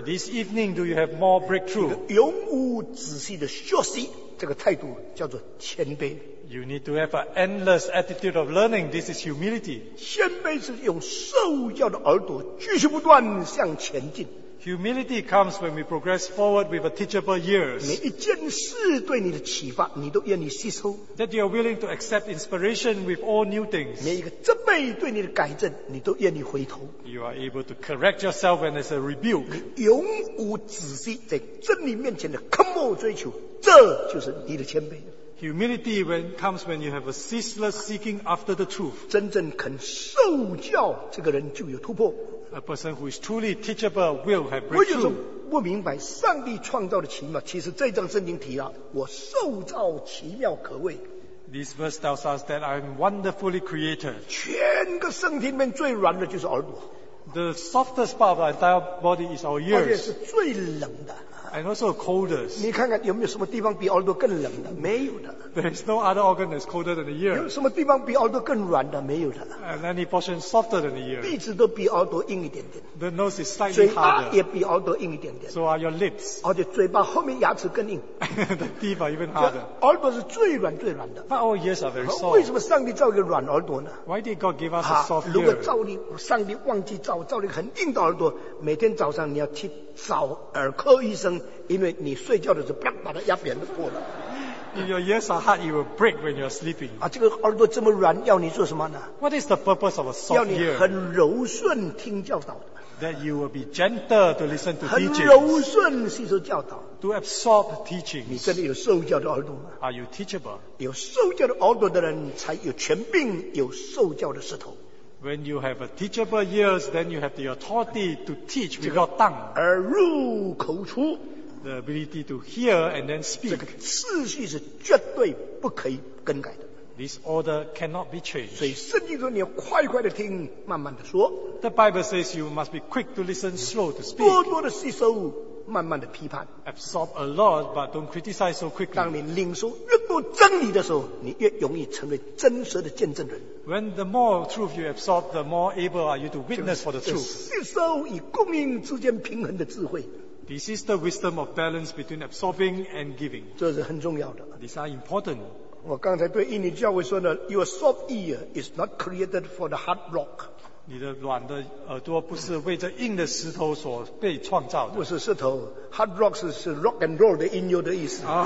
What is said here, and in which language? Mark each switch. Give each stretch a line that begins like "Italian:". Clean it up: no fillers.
English: This evening, do you have more breakthrough?
Chinese: 你永无止息的学习，这个态度叫做谦卑。
English: You need to have an endless attitude of learning. This is humility.
Chinese: 谦卑是用受教的耳朵继续不断向前进。
English: Humility comes when we progress forward with a teachable ears.
Chinese: 每一件事对你的启发，你都愿意吸收。
English: That you are willing to accept inspiration with all new things.
Chinese: 每一个责备对你的改正，你都愿意回头。
English: You are able to correct yourself when there's a rebuke.
Chinese: 你永无止息在真理面前的渴慕追求，这就是你的谦卑。
English: Humility when comes when you have a ceaseless seeking after the truth.
Chinese: 真正肯受教，这个人就有突破。
English: A person who is truly teachable will have breakthrough.
Chinese: 我就是不明白上帝创造的奇妙。其实这一章圣经提了，我受造奇妙可畏。
English: This verse tells us that I am wonderfully created.
Chinese: 全个身体里面最软的就是耳朵。
English: The softest part of our entire body is our ears.
Chinese: 而且是最冷的。
English: And also coldest.
Chinese: 你看看有没有什么地方比耳朵更冷的？没有的。
English: There is no other organ that's colder than the ear.
Chinese: 有什么地方比耳朵更软的？没有的。
English: And any portion softer than the ear.
Chinese: 鼻子都比耳朵硬一点点。
English: The nose is slightly harder.
Chinese: 嘴巴也比耳朵硬一点点。
English: So are your lips.
Chinese: 而且嘴巴后面牙齿更硬。
English: The teeth are even harder.
Chinese: 耳朵是最软最软的。
English: But our ears are very soft.
Chinese: 为什么上帝造一个软耳朵呢？
English: Why did God give us a soft ear?
Chinese: 如果造你，上帝忘记造，造了一个很硬的耳朵，每天早上你要去找耳科医生。因为你睡觉的时候，啪把它压扁就破了。
English: If your ears are hard, it will break when you are sleeping.
Chinese: 啊，这个耳朵这么软，要你做什么呢？
English: What is the purpose of a soft ear?
Chinese: 要你很柔顺听教导。
English: That you will be gentle to listen to teachings.
Chinese: 很柔顺吸收教导。
English: To absorb teachings.
Chinese: 你真的有受教的耳朵吗？
English: Are you teachable?
Chinese: 有受教的耳朵的人，才有权柄有受教的舌头。
English: When you have a teachable ears, then you have the authority to teach without tongue.
Chinese: 耳入口出。
English: The ability to hear and then speak.
Chinese: 这个次序是绝对不可以更改的。
English: This order cannot be changed.
Chinese: 所以圣经说你要快快的听，慢慢的说。
English: The Bible says you must be quick to listen, slow to speak.
Chinese: 多多的吸收，慢慢的批判。
English: Absorb a lot, but don't criticize so quickly.
Chinese: 当你领受越多真理的时候，你越容易成为真实的见证人。
English: When the more truth you absorb, the more able are you to witness for the truth.
Chinese: 吸收与供应之间平衡的智慧。
English: This is the wisdom of balance between absorbing and giving.
Chinese: 这是很重要的。
English: These are important.
Chinese: 我刚才对印尼教会说呢，
English: Your soft ear is not created for the hard rock.
Chinese: 你的软的耳朵不是为这硬的石头所被创造的。不是石头， hard rock 是 rock and roll 的音乐的意思。